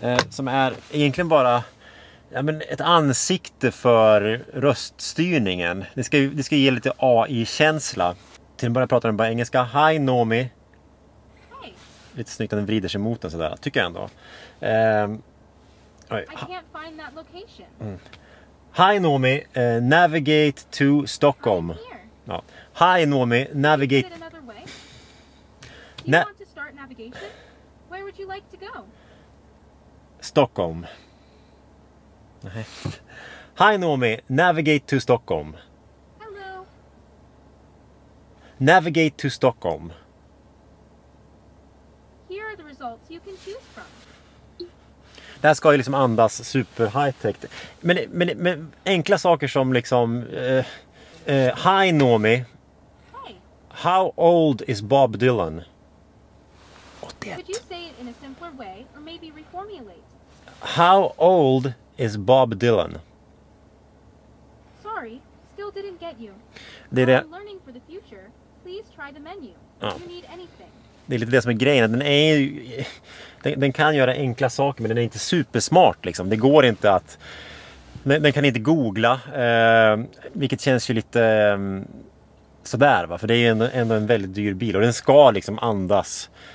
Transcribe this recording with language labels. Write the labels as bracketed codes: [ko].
[sv] Som är egentligen bara ett ansikte för röststyrningen. Det ska ge lite AI-känsla. Till och med pratar den bara engelska. [en] Hi Nomi. [sv] Hej. Lite snyggt att den vrider sig mot den sådär, tycker jag ändå. [en] I can't find that location. Hi Nomi, navigate to Stockholm. [sv] Ja. [en] Hi Nomi, navigate. Is it another way? Do you want to start navigation? Where would you like to go? Stockholm. Hi Nomi, navigate to Stockholm. Hello. Navigate to Stockholm. Here are the results you can choose from. [sv] Det här ska ju liksom andas [en] super high-tech. [sv] Men enkla saker som liksom... [en] hi Nomi. Hi. How old is Bob Dylan? 81. Could you say it in a simpler way or maybe reformulate? How old is Bob Dylan? Sorry, still didn't get you. [sv] Det är det. [en] I'm learning for the future, please try the menu. [sv] Ja. [en] If you need anything. [sv] Det är lite det som är grejen. Den är ju, den kan göra enkla saker, men den är inte supersmart liksom. Det går inte att... Den kan inte googla, vilket känns ju lite sådär va. För det är ju ändå en väldigt dyr bil och den ska liksom andas.